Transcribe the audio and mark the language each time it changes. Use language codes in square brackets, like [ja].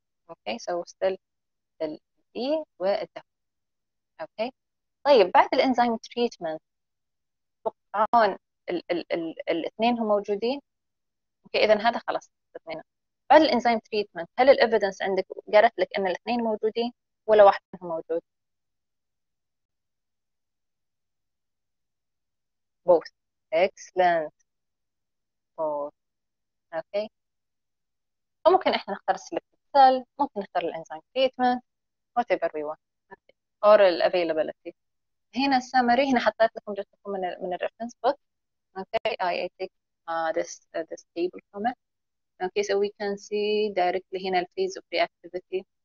[en] Okay, so still the E where it is. Okay. [ar] طيب بعد الانزيم تريتمنت توقعون الاثنين هم موجودين؟ اوكي اذا هذا خلاص الاثنين. بعد الانزيم تريتمنت هل الايفيدنس عندك قالت لك ان الاثنين موجودين ولا واحد منهم موجود؟ Both. [en] Excellent. Both. Okay. [ar] ممكن احنا نختار selective cell. ممكن نختار الانزيم treatment. [en] Whatever we want. Or the availability. هنا summary. [ar] هنا حطيت لكم جزءكم من reference book. [en] Okay. I take this table from it. Okay. So we can see directly هنا the phase of reactivity.